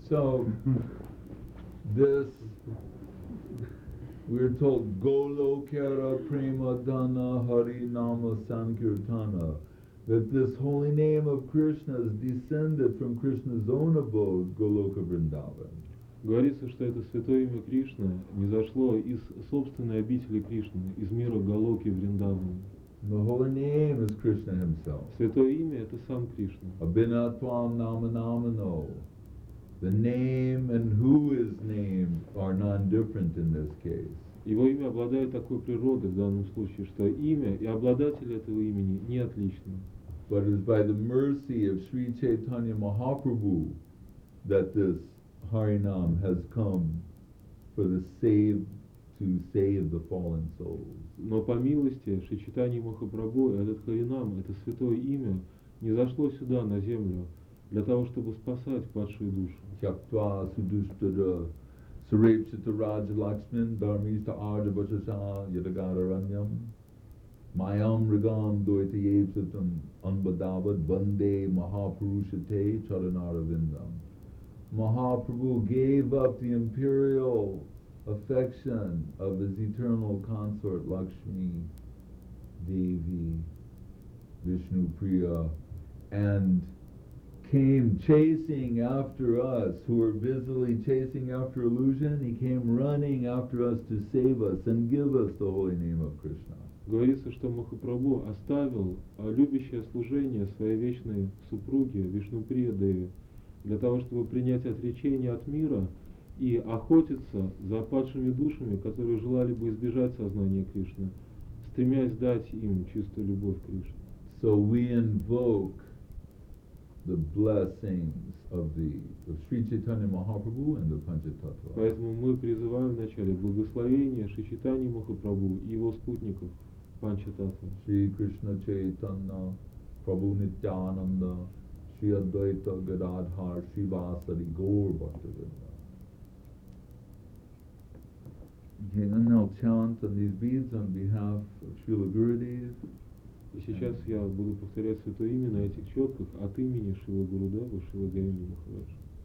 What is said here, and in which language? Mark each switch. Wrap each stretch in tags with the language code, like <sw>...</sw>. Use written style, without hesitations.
<en>So this, we're told,</en> <sa>Golokara Prema Dana Hari Nama Sankirtana,</sa> <en>that this holy name of Krishna is descended from Krishna's own abode, Goloka Vrindavan.</en> <ru>Говорится, что это святое имя Кришны низошло из собственной обители Кришны, из мира Галоки Вриндавана.</ru> <en>The holy name is Krishna himself.</en> <ru>Святое имя – это сам Кришна.</ru> <sa>Abhinatvam Namanamano.</sa> <en>The name and who is named are non-different in this case.</en> <ru>Его имя обладает такой природой в данном случае, что имя и обладатель этого имени не отличны.</ru> <en>But it is by the mercy of Sri Chaitanya Mahaprabhu that this Harinam has come for the to save the fallen souls.</en> <ru>Но по милости Шри Чайтанья Махапрабху этот Харинам, это святое имя, не зашло сюда на землю для того, чтобы спасать падшие души.</ru> <sa>Чаптва судуштара сарепчита раджа лакшмин дармиста арджа бачаша ядагара раньям майам ригам дойта ебсатам анбадават банде махапурушате чаранара виндам.</sa> <en>Mahaprabhu gave up the imperial affection of his eternal consort Lakshmi Devi Vishnu Priya and came chasing after us who were busily chasing after illusion. He came running after us to save us and give us the holy name of Krishna.</en> <ru>Говорится, что Махапрабху оставил любящее служение своей вечной супруге Вишну Прия Деви для того, чтобы принять отречение от мира и охотиться за падшими душами, которые желали бы избежать сознания Кришны, стремясь дать им чистую любовь Кришне.</ru> <en>So we invoke the blessings of the of Sri Chaitanya Mahaprabhu and the Panchatattva.</en> <ru>Поэтому мы призываем вначале благословение Шри Чайтаньи Махапрабху и его спутников Панчататва.</ru> <sa>Шри Кришна Чайтанна Прабху Нитьянанда Shri Advaita Gadadhar Shri Vasari Gaur Bhaktivinoda.</sa> <en>Okay, then I'll chant on these beads on behalf of Srila Gurudev.</en> <ru>И сейчас я буду повторять святое имя на этих четках от имени Шрила Гурудева, Шрила Гаринда Махараджа.</ru>